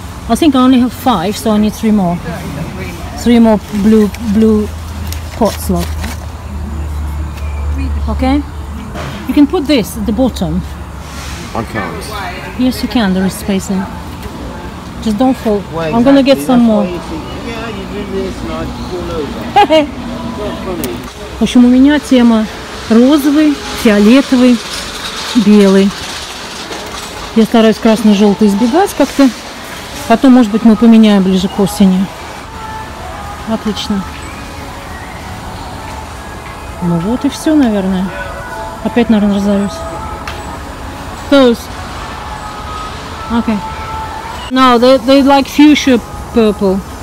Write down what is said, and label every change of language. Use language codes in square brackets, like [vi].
[en] I think I only have 5, so I need 3 more. 3 more blue pot slot. Okay? You can put this at the bottom. I can't. Yes, you can. There is space in. Just don't fall. Well, exactly. I'm gonna get some more. Yeah, you do this and I fall over. Not funny. [ru] В общем, у меня тема розовый, фиолетовый, белый. Я стараюсь красно-желтый избегать как-то. Потом, может быть, мы поменяем ближе к осени. Отлично. Ну вот и все, наверное. Опять, наверное, разорюсь. [en] Those. Okay. No, they like fuchsia purple.